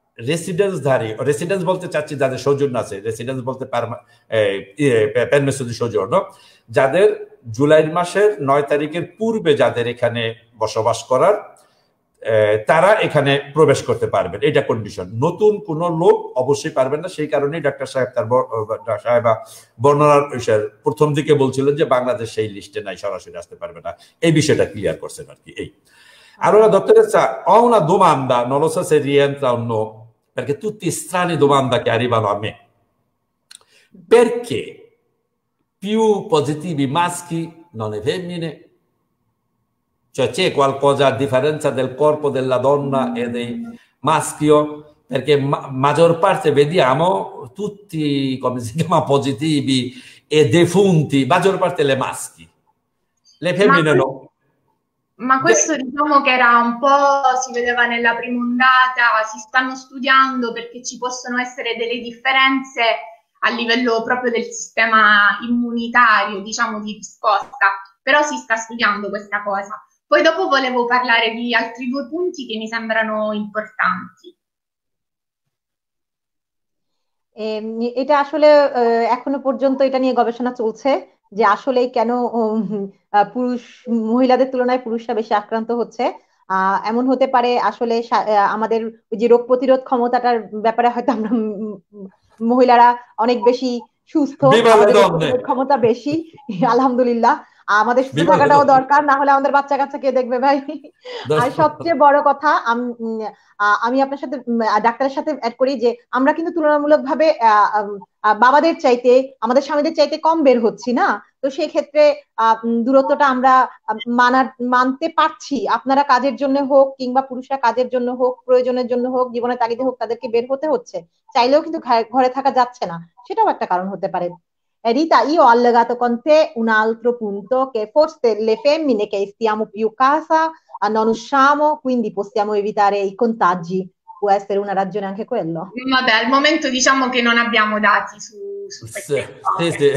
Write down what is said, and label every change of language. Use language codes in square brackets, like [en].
[bn] Residence ধারী, residence বলতে চাচ্ছি যাদের সৌজন্য আছে, রেসিডেন্স বলতে পারমিশন সৌজন্য, যাদের জুলাই মাসের 9 তারিখের পূর্বে যাদের এখানে বসবাস করার, তারা এখানে প্রবেশ করতে পারবেন, এটা কন্ডিশন। নতুন কোন লোক অবশ্যই পারবেন না, সেই কারণেই ডাক্তার সাহেব তার সাহেবা বর্ণনার প্রথম দিকে বলছিলেন যে বাংলাদেশ সেই লিস্টে নাই, সরাসরি আসতে পারবে না, এই বিষয়টা ক্লিয়ার করছেন আর কি। এই [it] Grazie. allora, dottoressa, ho una domanda, non lo so se rientra o no, perché tutti strane domande che arrivano a me. Perché più positivi i maschi, non le femmine? Cioè c'è qualcosa a differenza del corpo della donna e del maschio? Perché maggior parte vediamo tutti, come si chiama, positivi e defunti, maggior parte le maschi, le femmine no. Ma questo diciamo che era un po', si vedeva nella prima ondata, si stanno studiando perché ci possono essere delle differenze a livello proprio del sistema immunitario, diciamo di risposta, però si sta studiando questa cosa. Poi dopo volevo parlare di altri due punti che mi sembrano importanti. [bn] এটা আসলে এখনো পর্যন্ত এটা নিয়ে গবেষণা চলছে যে আসলে কেন পুরুষ মহিলাদের তুলনায় পুরুষরা বেশি আক্রান্ত হচ্ছে। এমন হতে পারে আসলে আমাদের যে রোগ প্রতিরোধ ক্ষমতাটার ব্যাপারে হয়তো আমরা মহিলারা অনেক বেশি সুস্থ, আমাদের রোগ প্রতিরোধ বিবাহ ক্ষমতা বেশি, আলহামদুলিল্লাহ। আমাদের সুস্থ থাকাটাও দরকার, না হলে আমাদের বাচ্চা কাচ্চা কে দেখবে ভাই? আর সবচেয়ে বড় কথা, আমি আপনার সাথে ডাক্তারের সাথে অ্যাড করি যে আমরা কিন্তু তুলনামূলকভাবে বাবাদের চাইতে, আমাদের স্বামীদের চাইতে কম বের হচ্ছি, না? তো সেই ক্ষেত্রে দূরত্বটা আমরা মানতে পারছি, আপনারা কাজের জন্য হোক কিংবা পুরুষরা কাজের জন্য হোক, প্রয়োজনের জন্য হোক, জীবনের তাগিদে হোক, তাদেরকে বের হতে হচ্ছে, চাইলেও কিন্তু ঘরে থাকা যাচ্ছে না, সেটাও একটা কারণ হতে পারে। [it] Rita, io ho allegato con te un altro punto, che forse le femmine che stiamo più a casa non usciamo, quindi possiamo evitare i contagi. Può essere una ragione anche quello. Vabbè, al momento diciamo che non abbiamo dati su queste Sì, è